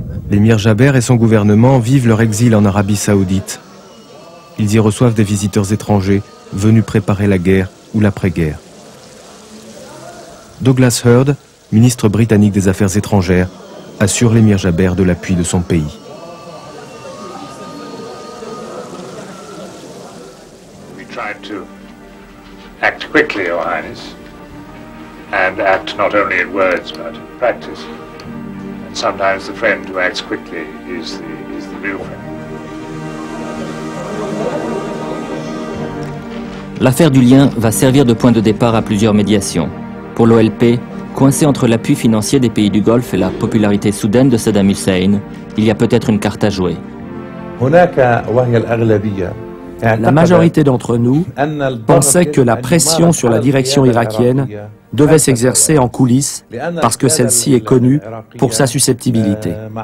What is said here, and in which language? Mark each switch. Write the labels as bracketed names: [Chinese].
[French] L'émir Jaber et son gouvernement vivent leur exil en Arabie Saoudite. Ils y reçoivent des visiteurs étrangers venus préparer la guerre ou l'après-guerre. Douglas Hurd, ministre britannique des Affaires étrangères, assure l'émir Jaber de l'appui de son pays. [English] We tried to act quickly, Your Highness, and act not only in words but in practice. And sometimes the friend who acts quickly is the real friend. [French] L'affaire du lien va servir de point de départ à plusieurs médiations. Pour l'OLP, coincé entre l'appui financier des pays du Golfe et la popularité soudaine de Saddam Hussein, il y a peut-être une carte à jouer. La majorité d'entre nous pensait que la pression sur la direction irakienne devait s'exercer en coulisses parce que celle-ci est connue pour sa susceptibilité.